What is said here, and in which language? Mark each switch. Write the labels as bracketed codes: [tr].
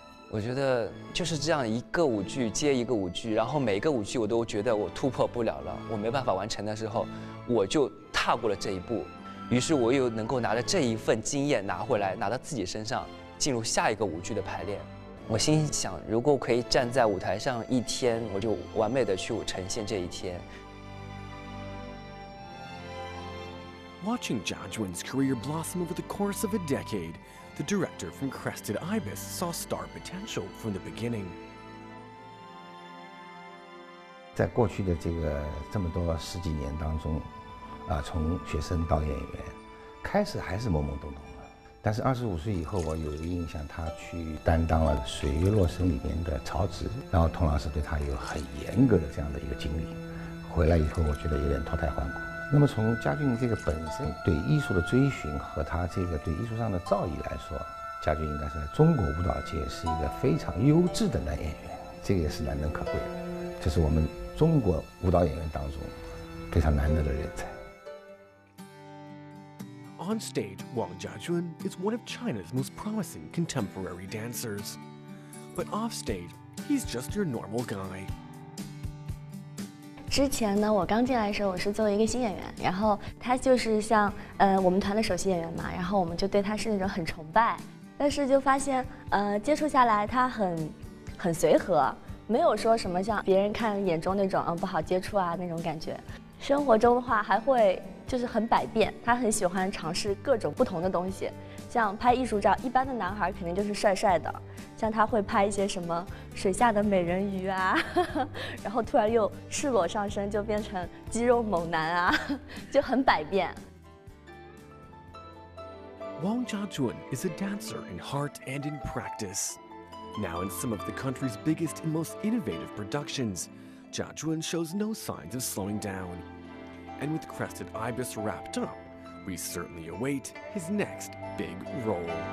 [zh] 我觉得就是这样一个舞剧接一个舞剧，然后每一个舞剧我都觉得我突破不了了，我没办法完成的时候，我就踏过了这一步，于是我又能够拿着这一份经验拿回来，拿到自己身上，进入下一个舞剧的排练。我心想，如果可以站在舞台上一天，我就完美的去呈现这一天。 [en] Watching Jajuan's career blossom over the course of a decade, the director from Crested Ibis saw star potential from the beginning. [zh] 在过去的这么多十几年当中，从学生到演员，开始还是懵懵懂懂。但是25岁以后，我有一个印象，他去担当了《水月洛神》里面的曹植，然后佟老师对他有很严格的这样的一个经历，回来以后我觉得有点脱胎换骨。那么从嘉俊这个本身对艺术的追寻和他这个对艺术上的造诣来说，嘉俊应该是在中国舞蹈界是一个非常优质的男演员，这个也是难能可贵的，这是我们中国舞蹈演员当中非常难得的人才。 [en] On stage, Wang Jiajun is one of China's most promising contemporary dancers. But off stage, he's just your normal guy. [zh] 之前呢，我刚进来的时候，我是作为一个新演员，然后他就是像我们团的首席演员嘛，然后我们就对他是那种很崇拜。但是就发现接触下来，他很随和，没有说什么像别人看眼中那种不好接触啊那种感觉。生活中的话还会就是很百变，他很喜欢尝试各种不同的东西，像拍艺术照，一般的男孩肯定就是帅帅的，像他会拍一些什么水下的美人鱼啊，然后突然又赤裸上身就变成肌肉猛男啊，就很百变。 [en] Wang Jiajun is a dancer in heart and in practice. Now in some of the country's biggest and most innovative productions, Jiajun shows no signs of slowing down. And with Crested Ibis wrapped up, we certainly await his next big role.